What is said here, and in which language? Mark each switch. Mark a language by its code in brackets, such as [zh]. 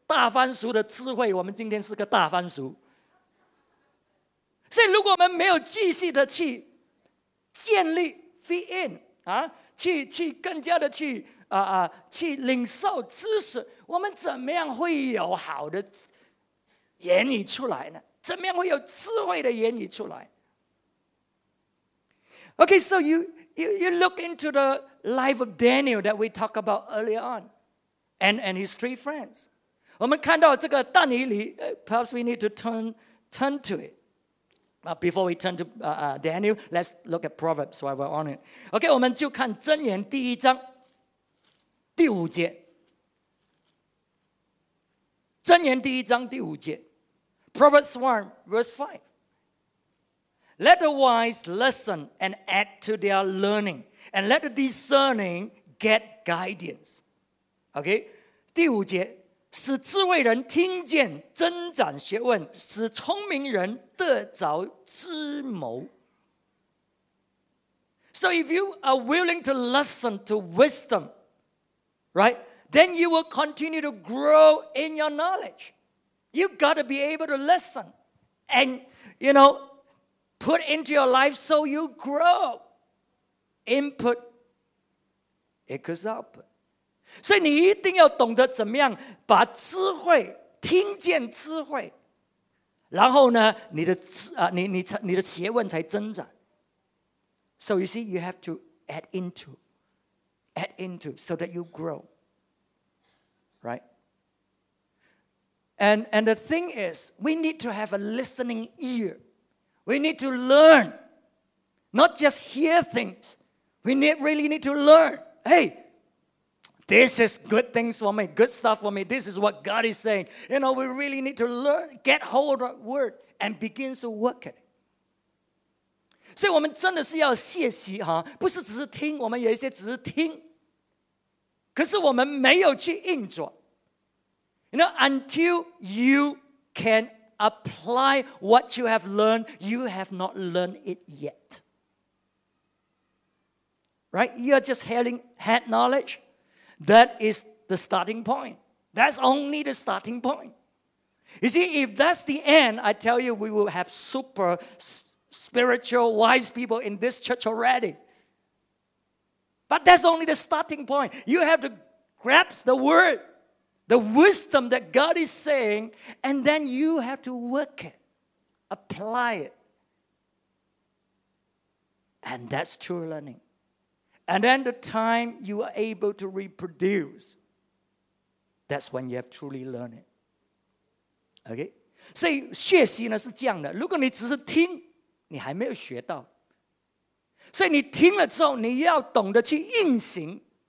[zh] 所以我们有一些成长的，我们那个时代成长就是看老夫子了，大番薯，啊，哇，几时到了就去抢购了。如果我们有的是大番薯的智慧，我们今天是个大番薯。所以，如果我们没有继续的去建立 [en] feed in [zh] 啊，去更加的去领受知识，我们怎么样会有好的言语出来呢？怎么样会有智慧的言语出来 [en] Okay, so you look into the life of Daniel that we talked about earlier on, and his three friends. [zh] 我们看到这个但以理, [en] perhaps we need to turn to it. Before we turn to Daniel, let's look at Proverbs while we're on it. [zh] Okay, 我们就看箴言第一章第五节。箴言第一章第五节, [en] Proverbs 1, verse 5. Let the wise listen and add to their learning, and let the discerning get guidance. Okay? [zh] 第五节, 使智慧人听见增长学问, 使聪明人得着智谋。 [en] So if you are willing to listen to wisdom, right? Then you will continue to grow in your knowledge. You got to be able to listen and, you know, put into your life so you grow. Input equals output. [zh] 所以你一定要懂得怎么样把智慧,听见智慧, 然后呢,你的学问才增长。 [en] So you see, you have to add into so that you grow. Right? And the thing is, we need to have a listening ear. We need to learn. Not just hear things. We really need to learn. Hey, this is good things for me, good stuff for me. This is what God is saying. You know, we really need to learn, get hold of word, and begin to work at it. [zh] 所以我们真的是要学习, 不是只是听, 我们有一些只是听, 可是我们没有去硬做。 [en] You know, until you can apply what you have learned, you have not learned it yet. Right? You are just having head knowledge. That is the starting point. That's only the starting point. You see, if that's the end, I tell you, we will have super spiritual, wise people in this church already. But that's only the starting point. You have to grasp the word. The wisdom that God is saying, and then you have to work it, apply it. And that's true learning. And then the time you are able to reproduce, that's when you have truly learned it. Okay? [zh] 所以学习呢是这样的,如果你只是听,你还没有学到。所以你听了之后,你要懂得去运行。